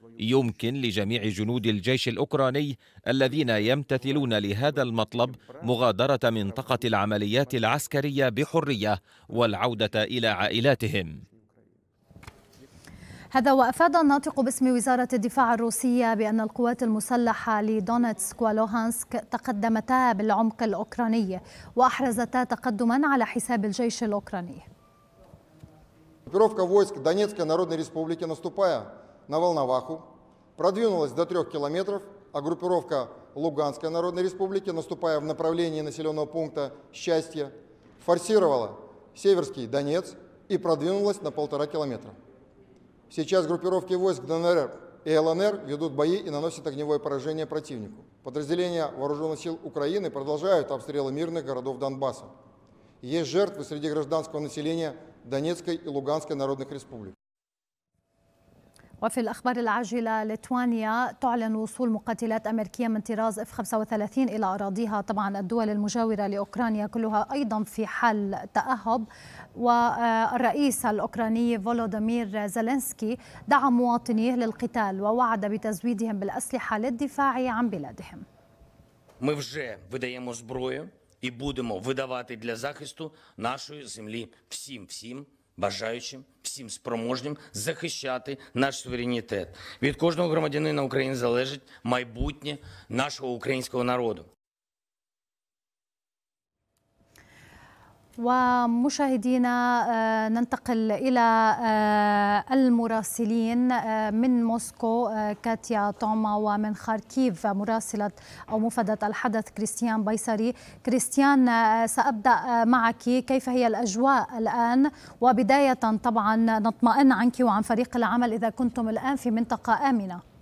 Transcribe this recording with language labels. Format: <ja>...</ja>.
<ar>يمكن لجميع جنود الجيش الأوكراني الذين يمتثلون لهذا المطلب مغادرة منطقة العمليات العسكرية بحرية والعودة إلى عائلاتهم. هذا وأفاد الناطق باسم وزارة الدفاع الروسية بأن القوات المسلحة لدونتسك ولوهانسك تقدمتا بالعمق الأوكراني وأحرزتا تقدما على حساب الجيش الأوكراني.</ar> <ru>группировка войск Донецкой народной республики наступая на Волноваху продвинулась до 3 км, а группировка Луганской народной республики наступая в направлении населенного пункта Счастье форсировала Северский Донец и продвинулась на 1,5 км. Сейчас группировки войск ДНР и ЛНР ведут бои и наносят огневое поражение противнику. Подразделения вооруженных сил Украины продолжают обстрелы мирных городов Донбасса. Есть жертвы среди гражданского населения Донецкой и Луганской народных республик.</ru> <ar>وفي الأخبار العاجلة، ليتوانيا تعلن وصول مقاتلات أمريكية من طراز F-35 إلى أراضيها. طبعا الدول المجاورة لأوكرانيا كلها أيضا في حال تأهب. والرئيس الأوكراني فولودمير زيلينسكي دعا مواطنيه للقتال ووعد بتزويدهم بالأسلحة للدفاع عن بلادهم.</ar> <uk>Ми вже видаємо зброю і будемо видавати для захисту нашої землі всім, всім бажаючим, всім спроможним захищати наш суверенітет. Від кожного громадянина України залежить майбутнє нашого українського народу.</uk> <ar>ومشاهدينا ننتقل إلى المراسلين من موسكو كاتيا توما، ومن خاركيف مراسلة أو مفادة الحدث كريستيان بيساري. كريستيان، سأبدأ معك، كيف هي الأجواء الآن؟ وبداية طبعا نطمئن عنك وعن فريق العمل إذا كنتم الآن في منطقة آمنة.</ar>